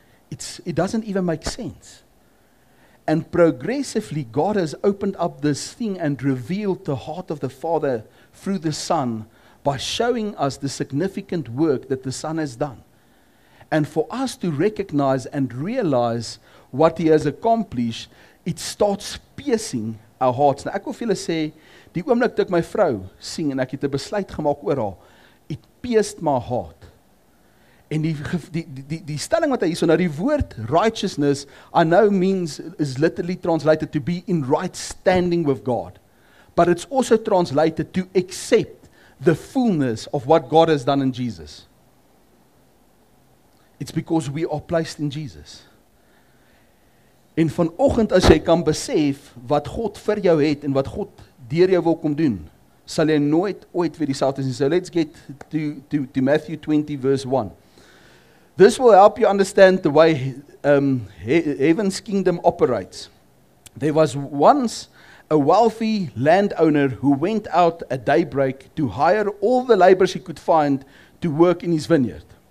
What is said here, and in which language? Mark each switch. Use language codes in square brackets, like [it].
[en] It doesn't even make sense. And progressively, God has opened up this thing and revealed the heart of the Father through the Son by showing us the significant work that the Son has done. And for us to recognize and realize what he has accomplished, it starts piercing our hearts. [af] Nou ek wil vir julle sê, die oomblik toe ek my vrou sien en ek het 'n besluit gemaak oor haar, [en] it pierced my heart. [af] En die stelling wat hy hierso nou die woord righteousness [en] I know means is literally translated to be in right standing with God. But it's also translated to accept the fullness of what God has done in Jesus. It's because we are placed in Jesus. [af] En vanoggend as jy kan besef wat God vir jou het en wat God deur jou wil kom doen, sal jy nooit ooit weer dieselfde wees. [en] So let's get to Matthew 20 verse 1. This will help you understand the way heaven's kingdom operates. There was once a wealthy landowner who went out at daybreak to hire all the laborers he could find to work in his vineyard.